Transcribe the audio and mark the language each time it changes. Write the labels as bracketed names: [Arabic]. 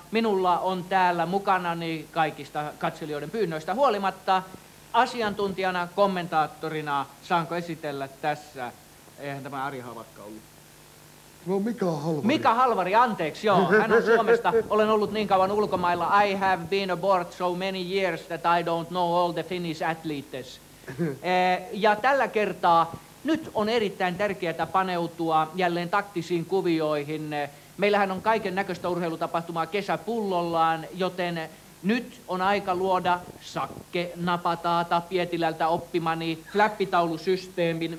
[Finnish] Minulla on täällä mukanani kaikista katselijoiden pyynnöistä huolimatta asiantuntijana, kommentaattorina, saanko esitellä tässä, eihän tämä Ari Havakka ollut. No Mika Halvari. Mika Halvari, anteeksi, joo. Hän on Suomesta. Olen ollut niin kauan ulkomailla. [English] I have been aboard so many years that I don't know all the Finnish athletes. [Finnish] Ja tällä kertaa nyt on erittäin tärkeää paneutua jälleen taktisiin kuvioihin. Meillähän on kaiken näköistä urheilutapahtumaa kesäpullollaan, joten nyt on aika luoda Sakke Napataata Pietilältä oppimani fläppitaulusysteemin.